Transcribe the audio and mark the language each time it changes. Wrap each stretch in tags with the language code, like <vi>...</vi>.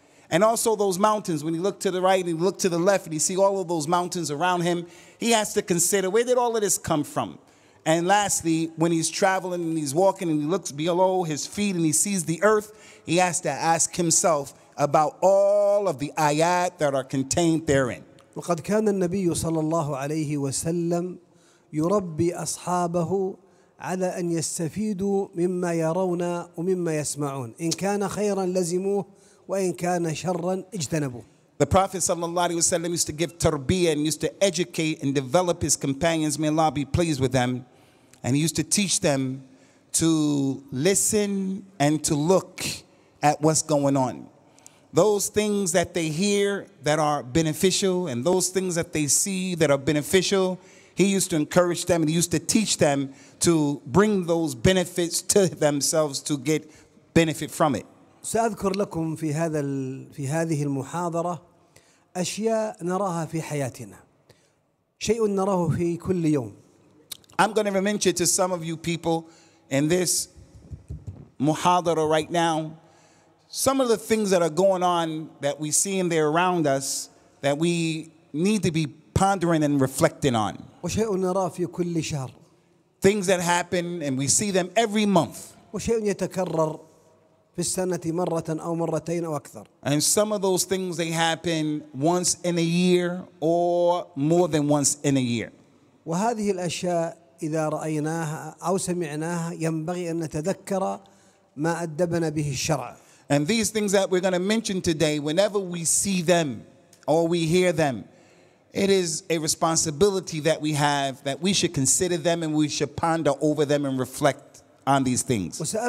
<en>And also those mountains, when he looked to the right and he looked to the left and he see all of those mountains around him, he has to consider where did all of this come from? And lastly, when he's traveling and he's walking and he looks below his feet and he sees the earth, he has to ask himself about all of the ayat that are contained therein.</en> <ar>وقد كان النبي صلى الله عليه وسلم يربي أصحابه على أن يستفيدوا مما يرون ومما يسمعون إن كان خيرا لزموه وإن كان شرا اجتنبوه.</ar> <en>The Prophet</en> <ar>صلى الله عليه وسلم</ar> <en>used to give tarbiyah and used to educate and develop his companions, may Allah be pleased with them, and he used to teach them to listen and to look at what's going on. Those things that they hear that are beneficial and those things that they see that are beneficial, he used to encourage them and he used to teach them to bring those benefits to themselves to get benefit from it.</en> <ar>سأذكر لكم في هذه المحاضرة أشياء نراها في حياتنا شيء نراه في كل يوم.</ar> <en>I'm going to mention to some of you people in this محاضرة right now some of the things that are going on that we see in there around us that we need to be pondering and reflecting on.</en> <ar>وشيء نرى في كل شهر.</ar> <en>Things that happen and we see them every month.</en> <ar>وشيء يتكرر في السنة مرة أو مرتين أو أكثر.</ar> <en>And some of those things they happen once in a year or more than once in a year.</en> <ar>وهذه الأشياء إذا رأيناها أو سمعناها ينبغي أن نتذكر ما أدبنا به الشرع.</ar> <en>And these things that we're going to mention today, whenever we see them or we hear them, it is a responsibility that we have that we should consider them and we should ponder over them and reflect on these things.</en>